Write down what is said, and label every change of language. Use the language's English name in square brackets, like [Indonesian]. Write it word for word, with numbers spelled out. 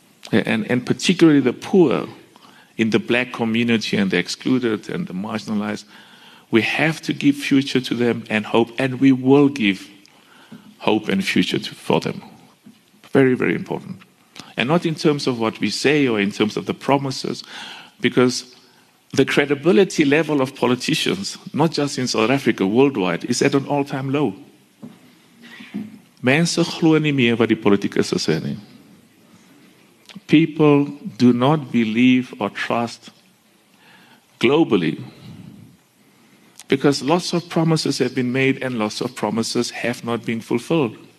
[English] And, and particularly the poor in the black community and the excluded and the marginalized, we have to give future to them and hope, and we will give hope and future to, for them. Very, very important. And not in terms of what we say or in terms of the promises, because the credibility level of politicians, not just in South Africa, worldwide, is at an all-time low. [Afrikaans] Mense glo nie meer wat die politikus sê nie. [English] People do not believe or trust globally because lots of promises have been made and lots of promises have not been fulfilled.